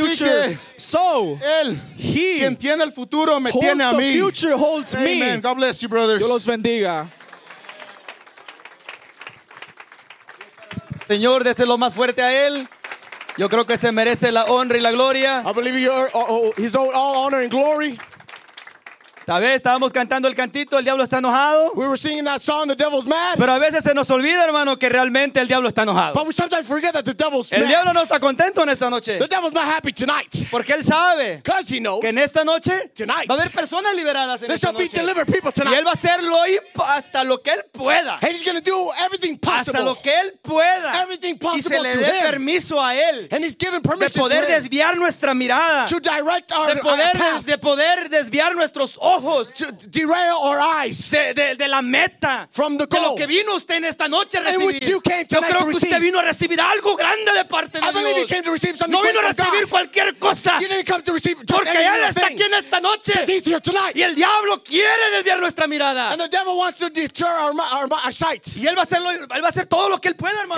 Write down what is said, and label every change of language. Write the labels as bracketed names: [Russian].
[English] the future. [Spanish] Que [English] so, [Spanish] Él, [English] he [Spanish] quien tiene el futuro, me tiene a mí. [English] Future, holds amen. Me. God bless you, brothers. [Spanish] Dios los bendiga. Señor, déselo más fuerte a Él. Yo creo que se merece la honra y la gloria. [English] I believe he his own all honor and glory. [Spanish] Tal vez estábamos cantando el cantito, el diablo está enojado. [English] We were singing that song, the devil's mad. [Spanish] Pero a veces se nos olvida, hermano, que realmente el diablo está enojado. [English] But we sometimes forget that the devil's [Spanish] el [English] mad. [Spanish] Diablo no está contento en esta noche. [English] The devil's not happy tonight. [Spanish] Porque él sabe. [English] Because he knows. [Spanish] Que en esta noche [English] tonight, [Spanish] va a haber personas liberadas en [English] there [Spanish] esta [English] shall [Spanish] noche. [English] Be delivered people tonight. [Spanish] Y él va a hacerlo hasta lo que él pueda. [English] And he's going to do everything possible. [Spanish] Hasta lo que él pueda. [English] Everything possible [Spanish] y se le dé permiso a él. [English] And he's given permission [Spanish] de poder [English] to [Spanish] desviar [English] him. [Spanish] Nuestra mirada. [English] To direct our [Spanish] de poder, [English] our path. [Spanish] De poder desviar nuestros ojos [English] to derail our eyes [Spanish] de la meta [English] from the goal [Spanish] de lo que vino usted en esta noche a recibir [English] in which you came tonight [Spanish] yo creo que [English] to receive. [Spanish] Usted vino a recibir algo grande de parte de [English] I believe [Spanish] Dios [English] you came to receive something [Spanish] no vino a recibir [English] God. [Spanish] Cualquier cosa [English] you didn't come to receive just [Spanish] porque [English] anything [Spanish] Él está aquí en esta noche [English] he's here tonight. [Spanish] Y el diablo quiere desviar nuestra mirada [English] and the devil wants to deter our sight [Spanish] y él va a hacer todo lo que él pueda hermano